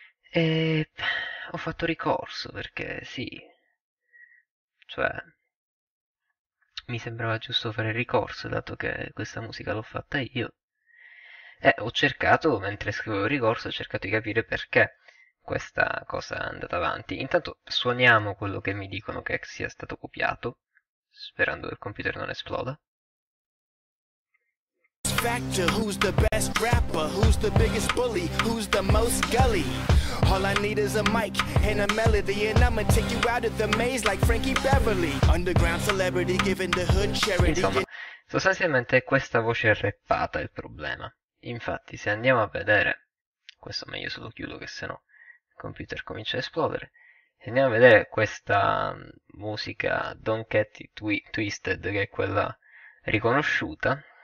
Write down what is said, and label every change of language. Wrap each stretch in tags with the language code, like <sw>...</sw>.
<it>E ho fatto ricorso perché sì, cioè, mi sembrava giusto fare ricorso, dato che questa musica l'ho fatta io. E ho cercato, mentre scrivevo il ricorso, ho cercato di capire perché questa cosa è andata avanti. Intanto suoniamo quello che mi dicono che sia stato copiato, sperando che il computer non esploda.</it> <en>Factor, who's the best rapper? Who's the biggest bully? Who's the most gully? All I need is a mic and a melody, and I'ma take you out of the maze like Frankie Beverly. Underground celebrity giving the hood charity.</en> <it>Insomma, sostanzialmente è questa voce rappata il problema. Infatti, se andiamo a vedere, questo meglio se lo chiudo che sennò computer comincia a esplodere. Andiamo a vedere questa musica Don't Get It Twisted, che è quella riconosciuta.</it>